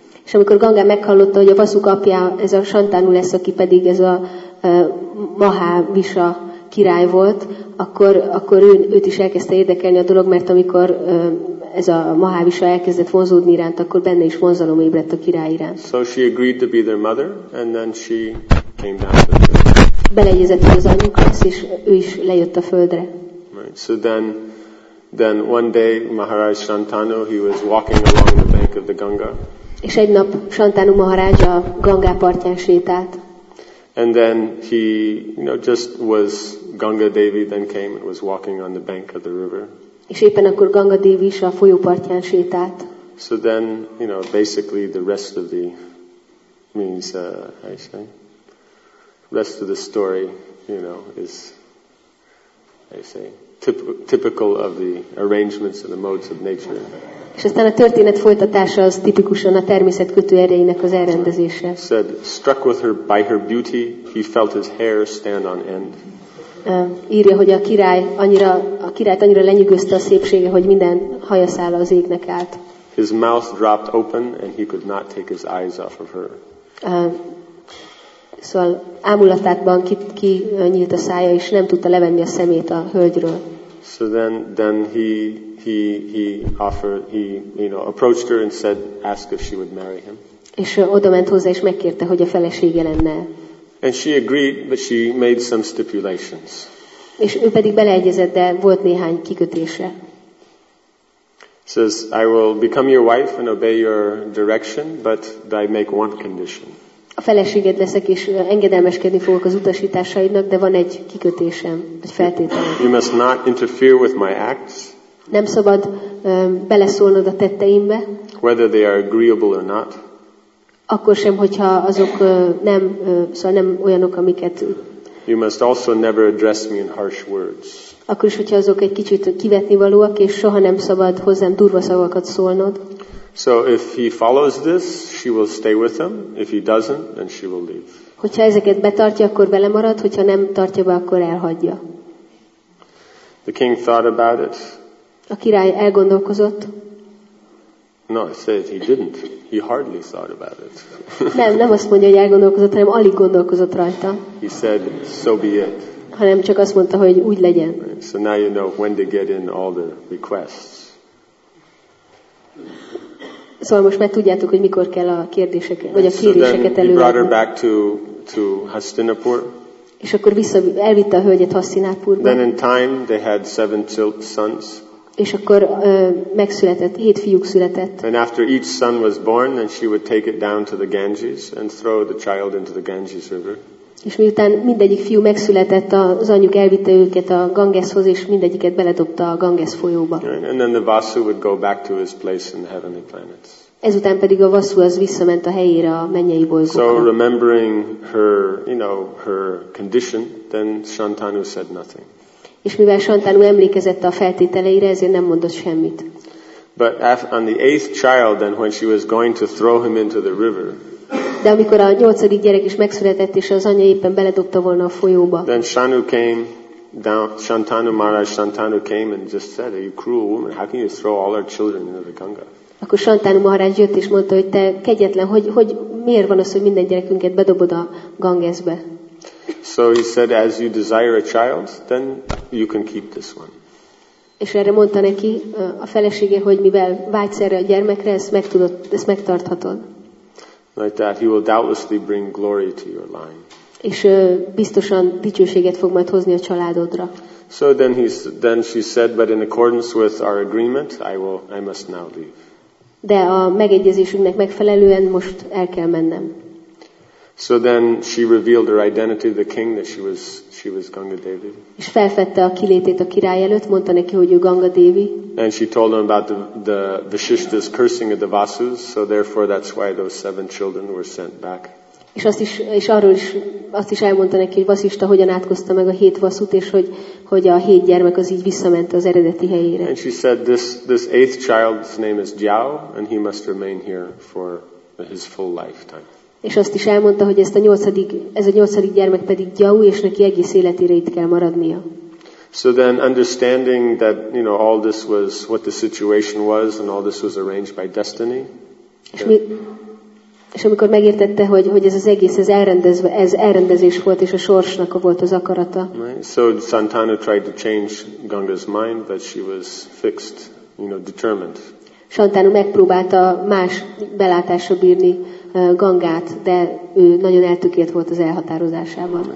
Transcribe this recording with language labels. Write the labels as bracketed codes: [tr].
[hu] És amikor Ganga meghallotta, hogy a Vasuk apja ez a Shantanu lesz, aki pedig ez a Mahavisha király volt, akkor őt is elkezdte érdekelni a dolog, mert amikor ez a Mahavisha elkezdett vonzódni iránt, akkor benne is vonzalom ébredt a király iránt. [en] So she agreed to be their mother, and then she came down to the earth. [hu] Beleegyezett az anyuk lesz, és ő is lejött a földre. [en] Right. So then one day Maharaj Shantanu, he was walking along the bank of the Ganga. [hu] És egy nap Shantanu Maharaj a Ganga partján sétált. [en] And then he, you know, just was Ganga Devi then came and was walking on the bank of the river. [hu] És éppen akkor Ganga Devi is a folyópartján sétált. [en] So then, you know, basically the rest of the means, how you say, rest of the story, you know, is, how you say, typical of the arrangements and the modes of nature. [hu] És aztán a történet folytatása az tipikusan a természet kötő erejének az elrendezése. [en] Said, struck with her by her beauty, he felt his hair stand on end. [hu] Írja, hogy a királyt annyira lenyűgözte a szépsége, hogy minden hajaszála az égnek állt. [en] His mouth dropped open and he could not take his eyes off of her. [hu] Szóval ámulatában ki nyílt a szája, és nem tudta levenni a szemét a hölgyről. [en] So then he offered, he, you know, approached her and said, ask if she would marry him. [hu] És odament hozzá, és megkérte, hogy a felesége lenne. [en] And she agreed, but she made some stipulations. [hu] És ő pedig beleegyezett, de volt néhány kikötése. [en] Says, I will become your wife and obey your direction, but I make one condition. [hu] A feleséged leszek, és engedelmeskedni fogok az utasításaidnak, de van egy kikötésem, egy feltétel. [en] You must not interfere with my acts. [hu] Nem szabad beleszólnod a tetteimbe. [en] Whether they are agreeable or not. [hu] Akkor sem, hogyha azok nem, szóval nem olyanok, amiket. [en] You must also never address me in harsh words. [hu] Akkor is, hogyha azok egy kicsit kivetnivalóak, és soha nem szabad hozzám durva szavakat szólnod. [en] So if he follows this, she will stay with him. If he doesn't, then she will leave. [hu] Hogyha ezeket betartja, akkor belemarad, hogyha nem tartja be, akkor elhagyja. [en] The king thought about it. [hu] A király elgondolkozott. [en] No, I said he didn't. He hardly thought about it. [hu] Nem azt mondja, hogy elgondolkozott, hanem alig gondolkozott rajta. [en] He said, so be it. [hu] Hanem csak azt mondta, hogy úgy legyen. [en] Right. So now you know when to get in all the requests. [hu] Szóval most már tudjátok, hogy mikor kell a kérdéseket, vagy a kéréseket előadni. [en] Brought her back to Hastinapur. [hu] És akkor vissza elvitte a hölgyet Hastinapurba. [en] Then in time they had 7 sons. [hu] És akkor megszületett, 7 fiúk született. [en] And after each son was born, then she would take it down to the Ganges and throw the child into the Ganges river. [hu] És miután mindegyik fiú megszületett, az anyjuk elvitte őket a Gangeshoz, és mindegyiket beledobta a Ganges folyóba. [en] And then the Vasu would go back to his place in the heavenly planets. [hu] Ezután pedig a Vasu az visszament a helyére, a mennyei bolygóra. [en] So remembering her, you know, her condition, then Shantanu said nothing. [hu] És mivel Shantanu emlékezett a feltételeire, ezért nem mondott semmit. [en] But on the 8th child, then when she was going to throw him into the river. [hu] De amikor a 8. gyerek is megszületett, és az anyja éppen beledobta volna a folyóba. [en] Then Shanu came down, Shantanu Maharaj, Shantanu came and just said, are you cruel woman? How can you throw all our children into the Ganga? [hu] Akkor Shantanu Maharaj jött és mondta, hogy te kegyetlen, hogy miért van az, hogy minden gyerekünket bedobod a Gangesbe? [en] So he said, as you desire a child, then you can keep this one. [hu] És erre mondta neki a felesége, hogy mivel vágysz erre a gyermekre, ezt megtarthatod. [en] Like that, he will doubtlessly bring glory to your line. [hu] És biztosan dicsőséget fog majd hozni a családodra. [en] So then she said, but in accordance with our agreement, I must now leave. [hu] De a megegyezésünknek megfelelően most el kell mennem. [en] So then she revealed her identity to the king that she was Ganga Devi. [hu] És felfedte a kilétét a király előtt, mondta neki, hogy ő Ganga Devi. [en] And she told him about the Vasishtha's cursing of the Vasus, so therefore that's why those 7 children were sent back. [hu] És azt is, és arról is azt is elmondta neki, hogy Vasishtha hogyan átkozta meg a 7 vasút, és hogy a 7 gyermek az így visszament az eredeti helyére. [en] And she said this 8th child's name is Jiao, and he must remain here for his full lifetime. [hu] És azt is elmondta, hogy ez a nyolcadik gyermek pedig Jiao, és neki egész életére itt kell maradnia. [en] So then understanding that, you know, all this was what the situation was and all this was arranged by destiny. [hu] És amikor megértette, hogy ez az egész ez elrendezés volt, és a sorsnak volt az akarata. [en] Right. So Shantanu tried to change Ganga's mind, but she was fixed, you know, determined. [hu] Shantanu megpróbálta más belátásra bírni Gangát, de ő nagyon eltökélt volt az elhatározásában.